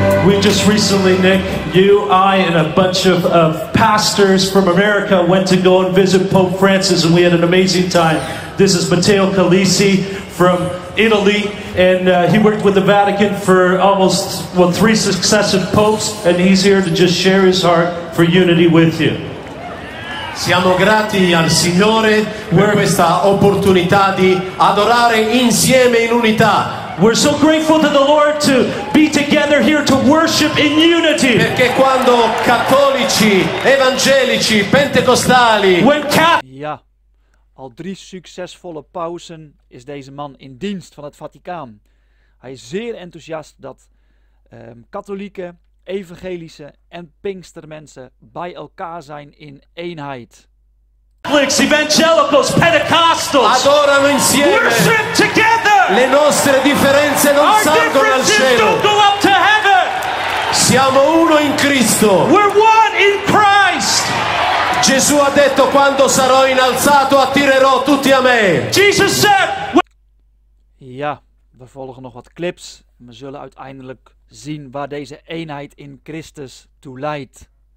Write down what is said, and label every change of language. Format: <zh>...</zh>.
<en>we just recently, Nick, you, I, and a bunch of pastors from America went to go and visit Pope Francis, and we had an amazing time. This is Matteo Calisi from Italy, and he worked with the Vatican for almost, well, three successive popes, and he's here to just share his heart for unity with you.</en> <it>Siamo grati al Signore per questa opportunità di adorare insieme in unità.</it> <en>We're so grateful to the Lord to be together here to worship in unity.</en> <it>Perché quando cattolici, evangelici, pentecostali...</it> <nl>Ja, al drie succesvolle pausen is deze man in dienst van het Vaticaan. Hij is zeer enthousiast dat katholieken, evangelische en pinkstermensen bij elkaar zijn in eenheid.</nl> <en>Catholics, evangelicals, Pentecostals,</en> <it>adorano insieme.</it> <en>Worship together.</en> <it>Le nostre differenze non salgono al cielo.</it> <en>Don't go up to heaven.</en> <it>Siamo uno in Cristo.</it> <en>We're one in Christ.</en> <it>Gesù ha detto: quando sarò innalzato, attirerò tutti a me.</it> <en>Jesus said.</en> <nl>Ja, we volgen nog wat clips. We zullen uiteindelijk zien waar deze eenheid in Christus toe leidt.</nl>